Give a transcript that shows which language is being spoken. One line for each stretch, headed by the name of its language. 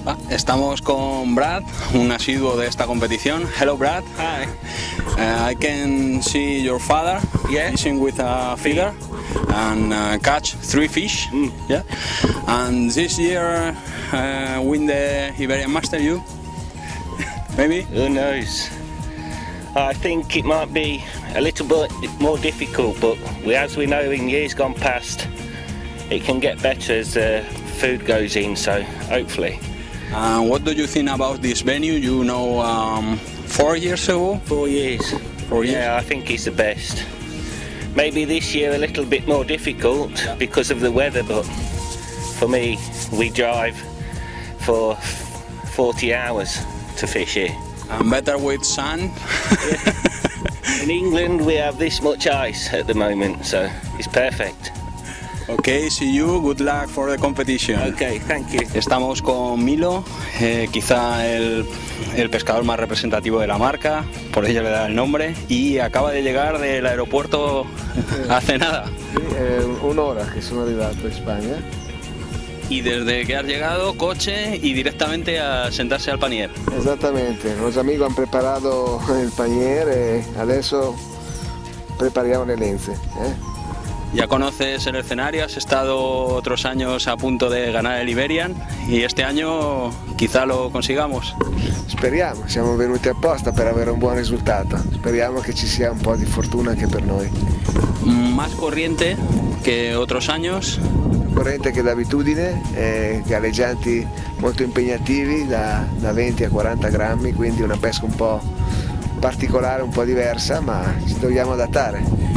Spanish: Estamos con Brad, un asiduo de esta competición.
English: Hello, Brad. Hi. I can see your father fishing with a feeder and catch three fish. Yeah. And this year win the Iberian Master. You? Maybe. Who knows? I think it might be a little bit more difficult, but as we know, in years gone past, it can get better as the food goes in. So hopefully. What do you think about this venue? You know, 4 years ago? 4 years. 4 years? Yeah, I think it's the best. Maybe this year a little bit more difficult because of the weather, but for me, we drive for 40 hours to fish here. And better with sun? Yeah. In England, we have this much ice at the moment, so it's perfect. Okay, see you. Good luck for the competition. Okay, thank you.
Spanish: Estamos con Milo, quizá el pescador más representativo de la marca, por ello le da el nombre, y acaba de llegar del aeropuerto hace nada. Sí, una hora, que es una hora de España. Y desde que has llegado, coche y directamente a sentarse al panier. Exactamente, los amigos han preparado el panier,
Italian: adesso prepariamo le lenze.
Spanish: Ya conoces el escenario, has estado otros años a punto de ganar el Iberian y este año quizá lo consigamos.
Italian: Speriamo, siamo venuti apposta per avere un buon risultato. Speriamo che ci sia un po' di fortuna anche per noi.
Spanish: Más corriente que otros años.
Italian: Corriente che d'abitudine, galleggianti molto impegnativi da 20 a 40 grammi, quindi una pesca un po' particolare, un po' diversa, ma ci dobbiamo adattare.